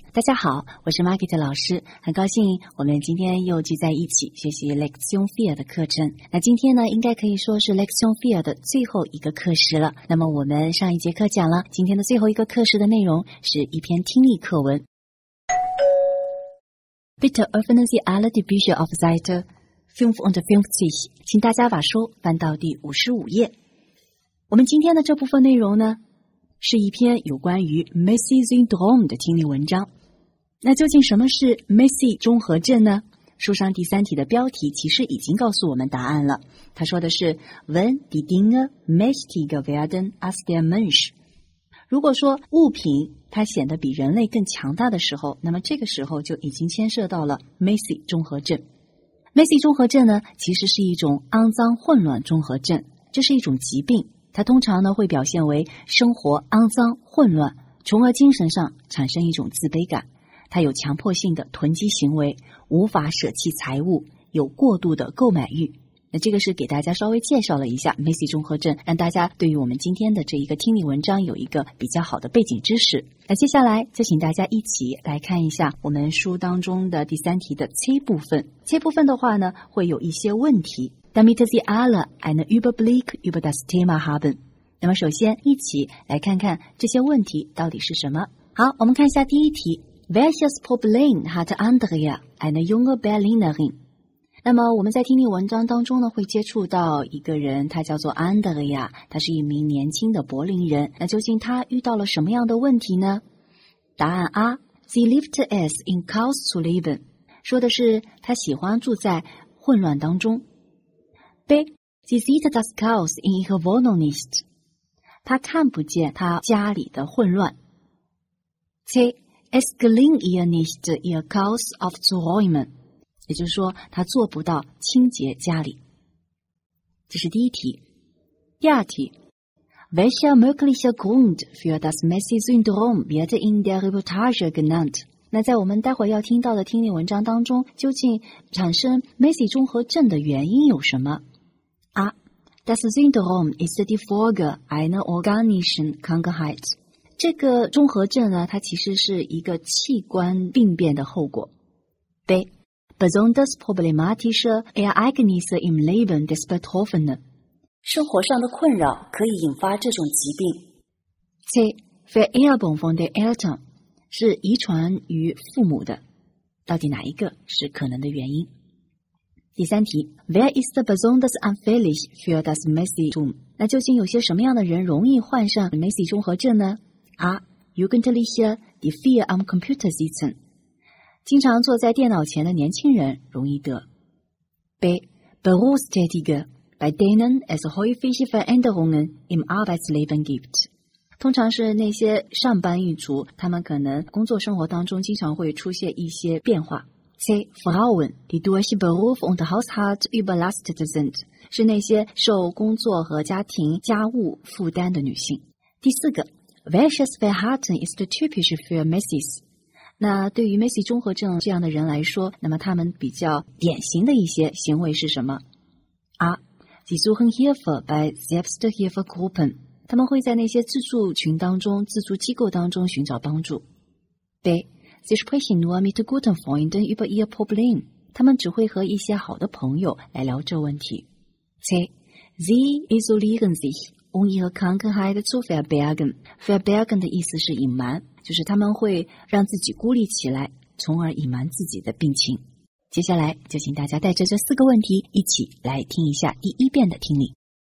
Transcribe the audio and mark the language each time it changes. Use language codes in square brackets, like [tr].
[zh] 大家好，我是 Margit 老师，很高兴我们今天又聚在一起学习 Lektion 4的课程。那今天呢，应该可以说是 Lektion 4的最后一个课时了。那么我们上一节课讲了，今天的最后一个课时的内容是一篇听力课文。 [de] Bitte öffnen Sie alle die Bücher auf Seite 55, [zh] 请大家把书翻到第55页。我们今天的这部分内容呢，是一篇有关于 Messi syndrome 的听力文章。那究竟什么是 Messi 综合症呢？书上第三题的标题其实已经告诉我们答案了。他说的是 [de] Wenn die Dinge mächtiger werden als der Mensch， [zh] 如果说物品它显得比人类更强大的时候，那么这个时候就已经牵涉到了 Messi 综合症。 Messi 综合症呢，其实是一种肮脏混乱综合症，这是一种疾病，它通常呢会表现为生活肮脏混乱，从而精神上产生一种自卑感。它有强迫性的囤积行为，无法舍弃财物，有过度的购买欲。那这个是给大家稍微介绍了一下 Messi 综合症，让大家对于我们今天的这一个听力文章有一个比较好的背景知识。那接下来就请大家一起来看一下我们书当中的第三题的 C 部分。 C 部分的话呢，会有一些问题。 [de] Damit Sie alle einen Überblick über das Thema haben. [zh] 那么首先一起来看看这些问题到底是什么。好，我们看一下第一题。 [de] Welches Problem hat Andrea, eine junge Berlinerin? [zh] 那么我们在听力文章当中呢，会接触到一个人，他叫做 Andrea, 他是一名年轻的柏林人。那究竟他遇到了什么样的问题呢？答案 A. [de] Sie liebt es in Chaos zu leben. [zh] 说的是他喜欢住在混乱当中。 B. [de] Sie sieht das Chaos in ihrer Wohnung nicht. [zh] 他看不见他家里的混乱。 C. [de] Es gelingt ihr nicht, ihr Chaos aufzuräumen. [zh] 也就是说，他做不到清洁家里。这是第一题。第二题。 [de] Welcher mögliche Grund für das Messi-Syndrom wird in der Reportage genannt? [zh] 那在我们待会要听到的听力文章当中，究竟产生 Messi 综合症的原因有什么？ [de] Das Syndrom ist die Folge einer organischen Krankheit. [zh] 这个综合症呢，它其实是一个器官病变的后果。 B. [de] Besonders problematische Ereignisse im Leben des Betroffenen. [zh] 生活上的困扰可以引发这种疾病。 C. [de] Vererbung von den Eltern. [zh] 是遗传于父母的。到底哪一个是可能的原因？第三题 ，Where is the besonders unfairly for das Messi-Tum？那究竟有些什么样的人容易患上 Messi 综合症呢 ？A. [de] Jugendliche, die viel am Computer sitzen， [zh] 经常坐在电脑前的年轻人容易得。 [de] B. Berufstätige, bei denen es häufig Veränderungen im Arbeitsleben gibt， [zh] 通常是那些上班一族，他们可能工作生活当中经常会出现一些变化。 C. [de] Frauen, die durch Beruf und Haushalt überlastet sind, [zh] 是那些受工作和家庭家务负担的女性。 [de] 第四个 ,Welches Verhalten ist typisch für Messis? [zh] 那对于 Messi 综合症这样的人来说，那么他们比较典型的一些行为是什么？A. [de] Sie suchen Hilfe bei Selbsthilfegruppen, [zh] 他们会在那些自助群当中、自助机构当中寻找帮助。 B. [de] Sie sprechen nur mit guten Freunden über ihr Problem. [zh] 他们只会和一些好的朋友来聊这问题。 C. [de] Sie isolieren sich, um ihre Krankheit zu verbergen. [zh] Verbergen 的意思是隐瞒，就是他们会让自己孤立起来，从而隐瞒自己的病情。接下来就请大家带着这四个问题一起来听一下第一遍的听力。